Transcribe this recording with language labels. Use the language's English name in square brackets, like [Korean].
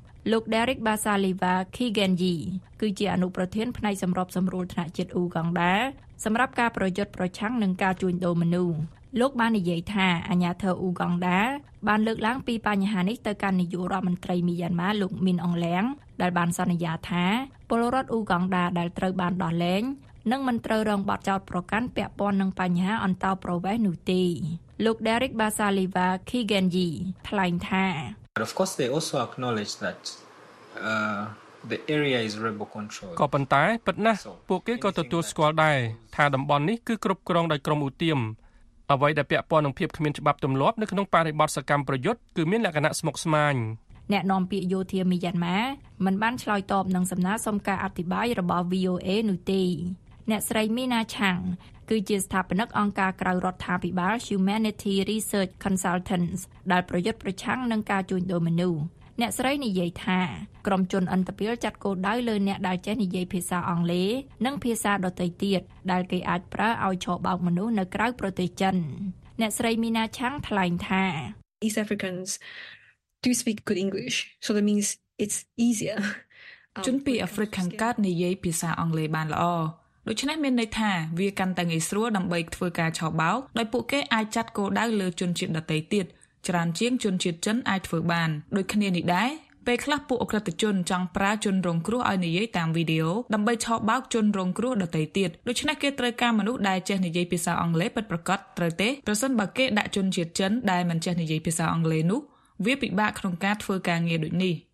[Khmer] លោក Derek Basaliva Kigenji គឺជាអនុប្រធានផ្នែកសម្របសម្រួលថ្នាក់ជាតិអ៊ូកង់ដាសម្រាប់ការប្រយុទ្ធប្រឆាំងនឹងការជួញដូរមនុស្សលោកបាននិយាយថាអាញាធិរអ៊ូកង់ដាបានលើកឡើងពីបញ្ហានេះទៅកាន់នាយករដ្ឋមន្ត្រីមីយ៉ាន់ម៉ាលោកមីនអងឡាំងដែលបានសន្យាថាពលរដ្ឋអ៊ូកង់ដាដែលត្រូវបានដោះលែងនឹងមិនត្រូវរងបទចោទប្រកាន់ពាក់ព័ន្ធនឹងបញ្ហាអន្តោប្រវេសន៍នោះទេលោក Derek Basaliva Kigenji ថ្លែងថា [English] But of course they also acknowledge that the area is rebel controlled. [Khmer] ក៏ប៉ុន្តែពិតណាស់ពួកគេក៏ទទួលស្គាល់ដែរថាតំបន់នេះគឺគ្រប់គ្រងដោយក្រុមឧទាមអ្វីដែលពាក់ព័ន្ធនឹងភាពគ្មានច្បាប់ទម្លាប់នៅក្នុងបរិបទសកម្មប្រយុទ្ធគឺមានលក្ខណៈស្មុគស្មាញ អ្នកនាំពាក្យយោធាមីយ៉ាន់ម៉ាមិនបានឆ្លើយតបនឹងសំណើសុំការអធិប្បាយរបស់ VOA នោះទេអ្នកស្រីមីណាឆាងគឺជាស្ថាបនិកអង្គការក្រៅរដ្ឋាភិបាល Humanity Research Consultants ដែលប្រយុទ្ធប្រឆាំងនឹងការជួញដូរមនុស្សអ្នកស្រីនិយាយថាក្រុមជនអន្តពាលចាត់គោលដៅលើអ្នកដែលចេះនិយាយភាសាអង់គ្លេសនិងភាសាដទៃទៀតដែលគេអាចប្រើឲ្យឆបោកមនុស្សនៅក្រៅប្រទេសចិនអ្នកស្រីមីណាឆាងថ្លែងថា [English] East Africans do speak good English so that means it's easier [Khmer] ជនពី African កើតនិយាយភាសាអង់គ្លេសបានល្អ ដូច្នេះមានន័យថាវាកាន់តែងាយស្រួលដើម្បីធ្វើការឆោបបោកដោយពួកគេអាចចាត់គោលដៅលើជនជាតិដទៃទៀតច្រើនជាងជនជាតិចិនអាចធ្វើបានដូចគ្នានេះដែរពេលខ្លះពួកអក្រិតជនចង់ប្រើជនរងគ្រោះឲ្យនិយាយតាមវីដេអូដើម្បីឆោបបោកជនរងគ្រោះដទៃទៀតដូច្នេះគេត្រូវការមនុស្សដែលចេះនិយាយភាសាអង់គ្លេសពិតប្រាកដត្រូវទេប្រសិនបើគេដាក់ជនជាតិចិនដែលមិនចេះនិយាយភាសាអង់គ្លេសនោះវាពិបាកក្នុងការធ្វើការងារដូចនេះ